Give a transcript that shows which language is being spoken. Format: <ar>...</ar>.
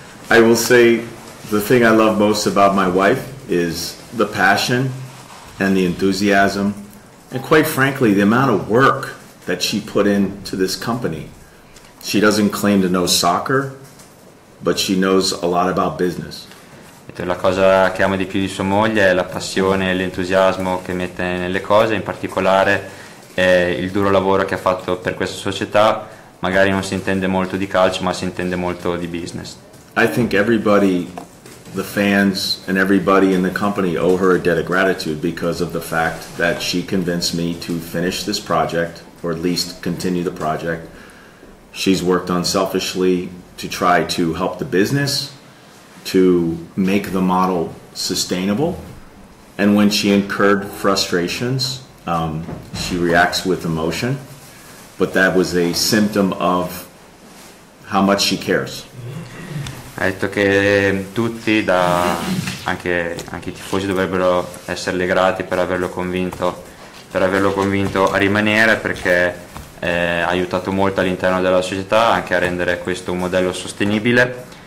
<en>I will say the thing I love most about my wife is the passion and the enthusiasm, and quite frankly, the amount of work that she put into this company. She doesn't claim to know soccer, but she knows a lot about business.</en> <it>La cosa che amo di più di sua moglie è la passione e l'entusiasmo che mette nelle cose, in particolare il duro lavoro che ha fatto per questa società. Magari non si intende molto di calcio, ma si intende molto di business.</it> <en>I think everybody, the fans and everybody in the company, owe her a debt of gratitude because of the fact that she convinced me to finish this project, or at least continue the project. She's worked unselfishly to try to help the business, to make the model sustainable. And when she incurred frustrations, she reacts with emotion. But that was a symptom of how much she cares.</en> <it>Ha detto che tutti, da anche i tifosi, dovrebbero esserle grati per averlo convinto a rimanere, perché ha aiutato molto all'interno della società anche a rendere questo un modello sostenibile.</it>